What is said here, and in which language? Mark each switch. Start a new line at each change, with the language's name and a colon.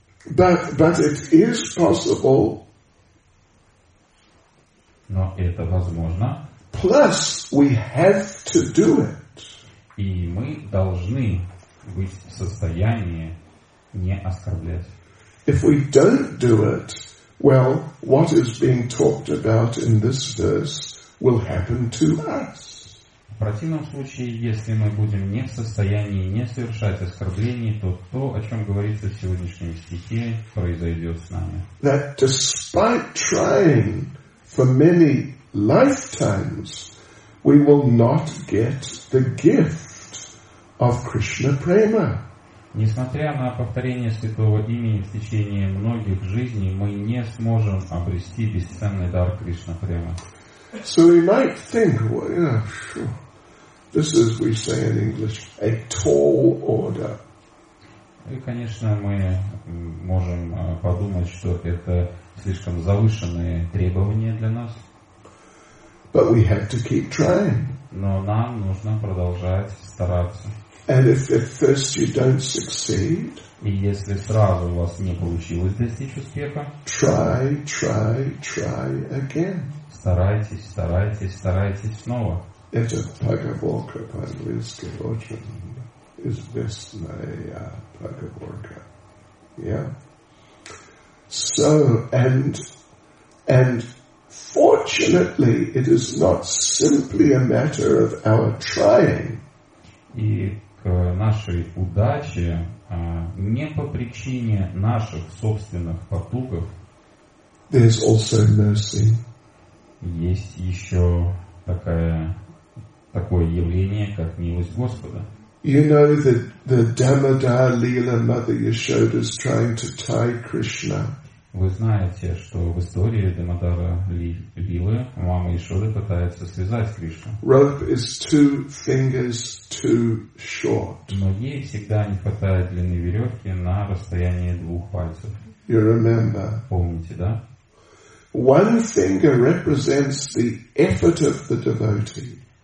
English: But it is possible.
Russian: Но это возможно.
English: Plus, we have to do it.
Russian: И мы должны быть в состоянии не оскорблять.
English: If we don't do it, well, what is being talked about in this verse will happen to us.
Russian: В противном случае, если мы будем не в состоянии не совершать оскорблений, то то, о чем говорится в сегодняшнем стихе, произойдет с нами.
English: That despite trying for many lifetimes, we will not get the gift of Krishna Prema.
Russian: Несмотря на повторение святого имени в течение многих жизней, мы не сможем обрести бесценный дар Кришна Према.
English: So we might think, well, yeah, sure. This is, we say in English, a tall order.
Russian: И, конечно, мы можем подумать, что это слишком завышенные требования для нас.
English: But we have to keep trying.
Russian: Но нам нужно продолжать стараться.
English: And if at first you don't succeed,
Russian: и если сразу у вас не получилось достичь успеха,
English: try again.
Russian: Старайтесь снова. Это Пагаборка по-английски очень известная Пагаборка.
English: So, and fortunately, it is not simply a matter of our trying.
Russian: И к нашей удаче, не по причине наших собственных потугов,
English: there's also mercy.
Russian: Есть еще такое явление, как милость Господа.
English: You know that the Damodar Leela Mother Yashoda is trying to tie Krishna.
Russian: Вы знаете, что в истории Дамодара Лилы мама Яшоды пытается связать Кришну.
English: Rope is two fingers too short.
Russian: Но ей всегда не хватает длины веревки на расстоянии двух пальцев.
English: You remember?
Russian: Помните, да?
English: One finger represents the effort of the devotee.